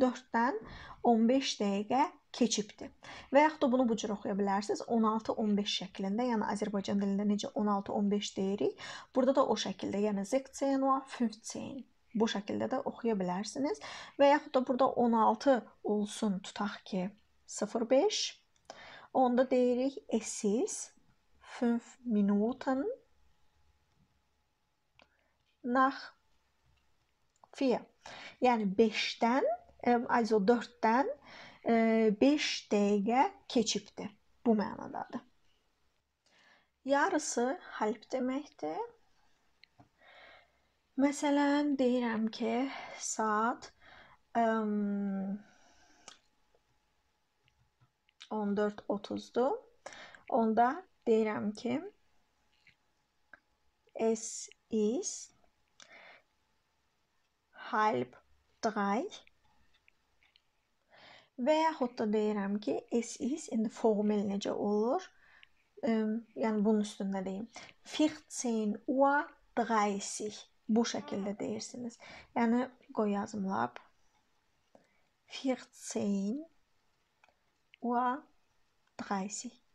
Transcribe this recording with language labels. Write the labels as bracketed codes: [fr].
[az] 4-dən 15 dəqiqə keçibdir. Və yaxud da bunu bu cür oxuya bilərsiniz. 16-15 şəklində, yəni Azərbaycan dilində necə 16-15 deyirik. Burada da o şəkildə, yəni 16-15 bu şəkildə də oxuya bilərsiniz. Və yaxud da burada 16 olsun, tutaq ki 05. Onda deyirik [de] es ist 5 Minuten nach 4. [az] Yəni 5-dən, ayzo 4-dən 5 dəqiqə keçibdir. Bu mənadadır. Yarısı halb deməkdir. Məsələn, deyirəm ki, saat 14:30-dur. Onda deyirəm ki, [de] es ist halb drei. [az] Və yaxud da deyirəm ki, [de] es ist, [az] indi formel necə olur? Yəni, bunun üstündə deyim. 14 Uhr 30. Bu şəkildə deyirsiniz. Yəni, qoy yazım lab. 14 Uhr 30.